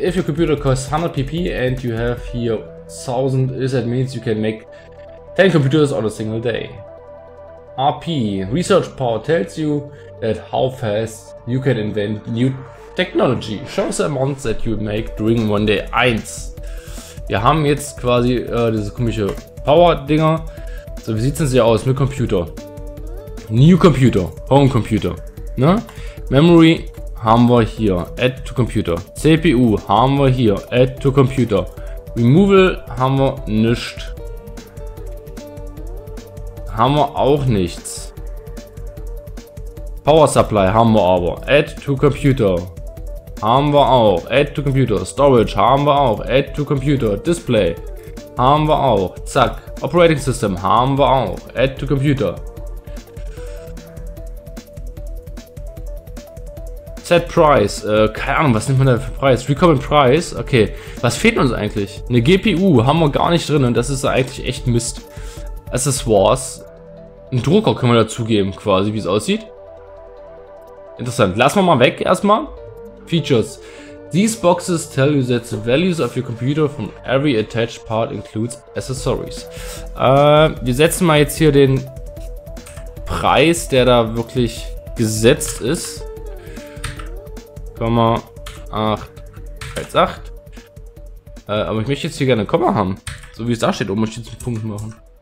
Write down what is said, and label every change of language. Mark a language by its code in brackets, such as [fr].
[en] If your computer costs 100 pp and you have here 1000, that means you can make 10 computers on a single day. RP, research power tells you that how fast you can invent new technology. Shows the amount that you make during one day. 1. [de] Wir haben jetzt quasi diese komische Power-Dinger. So, wie sieht es denn hier aus mit Computer? New Computer, Home Computer. Ne? Memory haben wir hier, Add to Computer. CPU haben wir hier, Add to Computer. Removal haben wir nicht. Haben wir auch nichts. Power Supply haben wir aber. Add to Computer. Haben wir auch. Add to Computer. Storage haben wir auch. Add to Computer. Display haben wir auch. Zack. Operating System haben wir auch. Add to Computer. Set Price. Keine Ahnung, was nimmt man da für Preis? Recommend Price. Okay. Was fehlt uns eigentlich? Eine GPU haben wir gar nicht drin und das ist eigentlich echt Mist. Accessoires. Ein Drucker können wir dazugeben, quasi, wie es aussieht. Interessant. Lassen wir mal weg erstmal. Features. [en] These boxes tell you that the values of your computer from every attached part includes accessories. [de] Wir setzen mal jetzt hier den Preis, der da wirklich gesetzt ist. 8,8. Aber ich möchte jetzt hier gerne ein Komma haben. So wie es da steht, oben möchte ich jetzt einen Punkt machen.